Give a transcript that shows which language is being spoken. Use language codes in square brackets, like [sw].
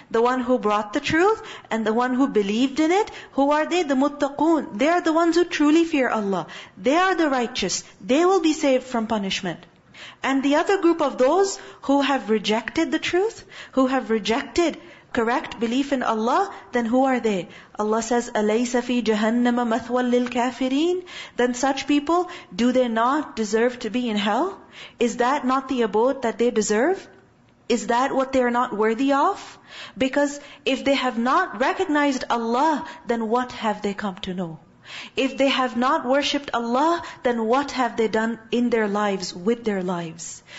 [en] The one who brought the truth and the one who believed in it. Who are they? The muttaqoon. They are the ones who truly fear Allah. They are the righteous. They will be saved from punishment. And the other group of those who have rejected the truth, who have rejected correct belief in Allah, then who are they? Allah says, [ar] أَلَيْسَ فِي جَهَنَّمَ مَثْوًا لِلْكَافِرِينَ. [en] Then such people, do they not deserve to be in hell? Is that not the abode that they deserve? Is that what they are not worthy of? Because if they have not recognized Allah, then what have they come to know? If they have not worshipped Allah, then what have they done in their lives, with their lives?